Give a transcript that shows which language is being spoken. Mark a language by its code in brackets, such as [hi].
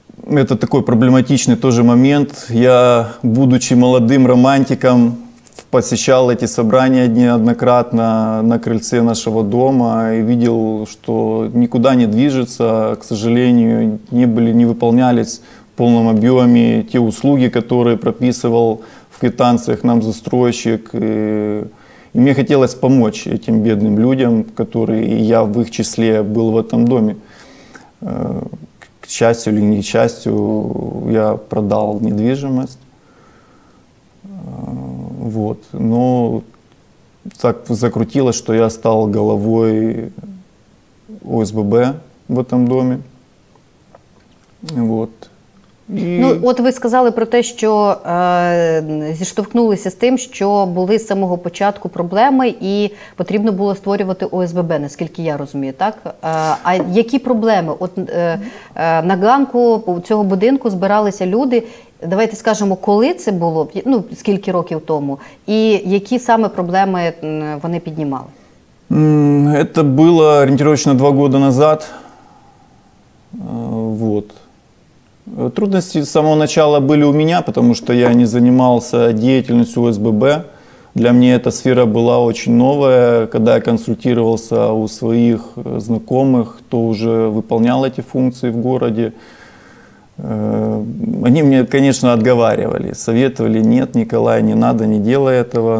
[uk] Це такий проблематичний теж момент. Я, будучи молодим романтиком, посещав ці збирання неодноразово на крильці нашого дому і бачив, що нікуди не рухається, [ru] к сожалению, [uk] не виконувалися в повному об'ємі ті услуги, які прописував в квитанціях нам застройщик. [ru] И мне хотелось помочь этим бедным людям, которые, и я в их числе, был в этом доме. К счастью или несчастью, я продал недвижимость. Вот. Но так закрутилось, что я стал головой ОСББ в этом доме. Вот. [uk] Ну, от ви сказали про те, що зіштовхнулися з тим, що були з самого початку проблеми і потрібно було створювати ОСББ, наскільки я розумію, так? А які проблеми? От на ганку цього будинку збиралися люди, давайте скажемо, коли це було, ну, скільки років тому, і які саме проблеми вони піднімали? Це було орієнтовно 2 роки назад. [ru] Вот. Трудности с самого начала были у меня, потому что я не занимался деятельностью ОСББ. Для меня эта сфера была очень новая. Когда я консультировался у своих знакомых, кто уже выполнял эти функции в городе, они мне, конечно, отговаривали, советовали: нет, Николай, не надо, не делай этого.